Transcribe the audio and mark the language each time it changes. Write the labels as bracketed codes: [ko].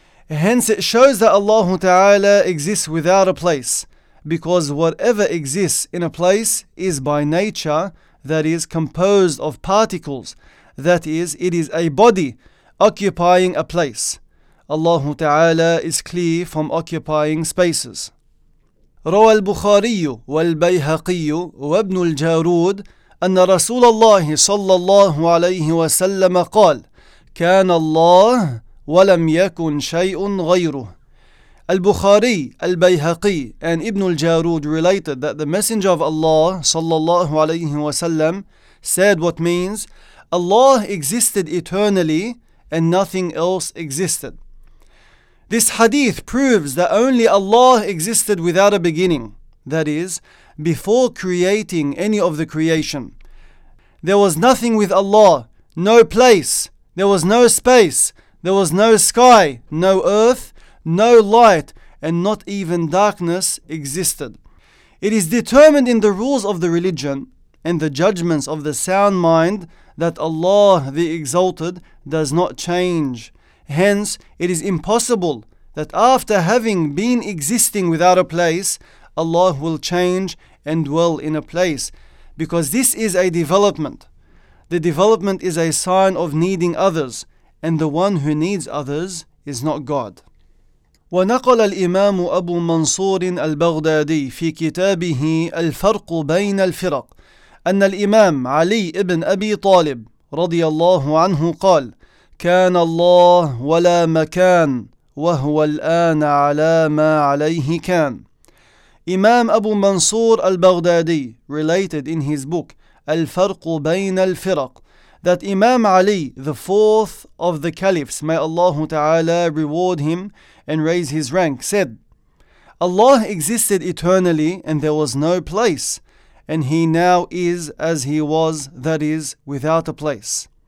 [en] Hence, it shows that Allah Ta'ala exists without a place, because whatever exists in a place is by nature, that is, composed of particles, that is, it is a body occupying a place. Allah Ta'ala is clear from occupying spaces. [ar] روى البخاري والبيهقي وابن الجارود أن رسول الله صلى الله عليه وسلم قال كان الله ولم يكن شيء غيره. [en] البخاري, البيهقي, and Ibn al-Jarud related that the Messenger of Allah sallallahu alayhi wa sallam said, what means, Allah existed eternally and nothing else existed. This hadith proves that only Allah existed without a beginning, that is, before creating any of the creation. There was nothing with Allah, no place, there was no space, there was no sky, no earth, no light, and not even darkness existed. It is determined in the rules of the religion and the judgments of the sound mind that Allah the Exalted does not change. Hence, it is impossible that after having been existing without a place, Allah will change and dwell in a place, because this is a development. The development is a sign of needing others, and the one who needs others is not God. [ar] ونقل الإمام أبو منصور البغدادي في كتابه الفرق بين الفرق أن الإمام علي بن أبي طالب رضي الله عنه قال كان الله ولا مكان وهو الآن على ما عليه كان. [en] إمام أبو منصور البغدادي related in his book الفرق بين الفرق that Imam Ali, the fourth of the caliphs, may Allah Ta'ala reward him and raise his rank, said, Allah existed eternally and there was no place, and He now is as He was, that is, without a place.